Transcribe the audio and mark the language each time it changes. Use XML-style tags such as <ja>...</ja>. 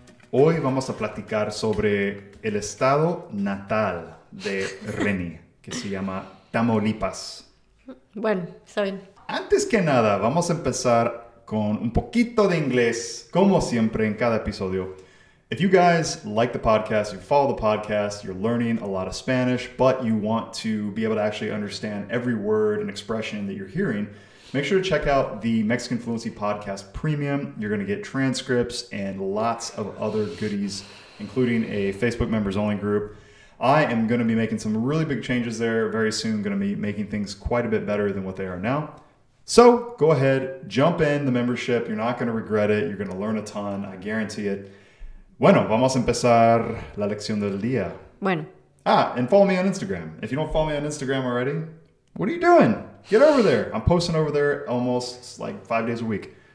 <es>Hoy vamos a platicar sobre el estado natal de Reni, que se llama Tamaulipas. Bueno, está bien. Antes que nada, vamos a empezar con un poquito de inglés, como siempre en cada episodio.</es> <en>If you guys like the podcast, you follow the podcast, you're learning a lot of Spanish, but you want to be able to actually understand every word and expression that you're hearing, make sure to check out the Mexican Fluency Podcast Premium. You're going to get transcripts and lots of other goodies, including a Facebook members only group. I am going to be making some really big changes there very soon, going to be making things quite a bit better than what they are now. So go ahead, jump in the membership. You're not going to regret it. You're going to learn a ton. I guarantee it.</en> <es>Bueno, vamos a empezar la lección del día. Bueno.</es> <en>Ah, and follow me on Instagram. If you don't follow me on Instagram already, what are you doing? Get over there. I'm posting over there almost like 5 days a week.</en>